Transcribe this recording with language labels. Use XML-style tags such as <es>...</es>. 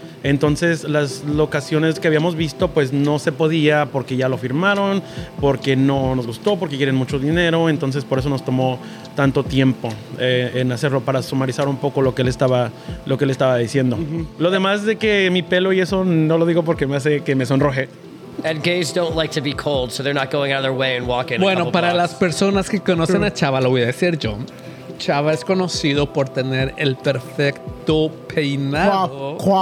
<es>Entonces las locaciones que habíamos visto pues no se podía porque ya lo firmaron, porque no nos gustó, porque quieren mucho dinero. Entonces por eso nos tomó tanto tiempo en hacerlo, para sumarizar un poco lo que él estaba diciendo. Uh-huh. Lo demás de que mi pelo y eso no lo digo porque me hace que me sonroje.</es> <en>And gays don't like to be cold, so they're not going out of their way and walking.</en> <es>Bueno, para las personas que conocen a Chava, lo voy a decir yo. Chava es conocido por tener el perfecto peinado.</es>